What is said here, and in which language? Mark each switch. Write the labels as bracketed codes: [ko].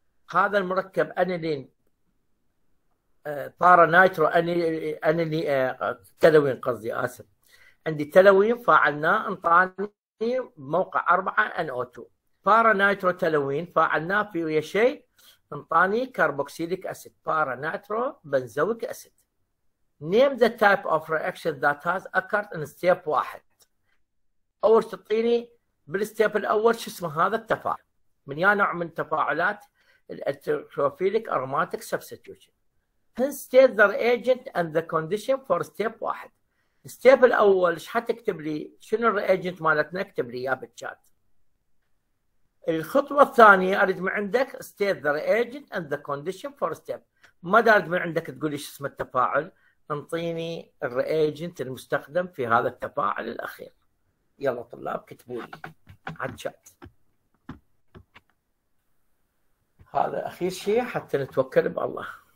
[ar] هذا المركب انيلين بارا نايترو انيلين تلوين قصدي اسف، عندي تلوين فعلناه انطاني موقع 4 ان او 2 بارا نايترو تلوين فعلناه في ويا شيء انطاني كربوكسيليك اسيد بارا نايترو بنزويك اسيد. [en] Name the type of reaction that has occurred in step 1. [ar] اول تعطيني بالستيب الاول شو اسمه هذا التفاعل، من يا نوع من تفاعلات الالكتروفيليك اروماتيك سبستيوشن. [en] Then state the reagent and the condition for step 1. [ar] الستيب الاول ايش حتكتب لي؟ شنو الريجنت مالتنا؟ اكتب لي اياه بالشات. الخطوه الثانيه اريد من عندك [en] state the reagent and the condition for step. [ar] ما اريد من عندك تقول لي شو اسم التفاعل، انطيني الريجنت المستخدم في هذا التفاعل الاخير. يلا طلاب كتبوا لي على الشات. هذا اخير شيء حتى نتوكل بالله.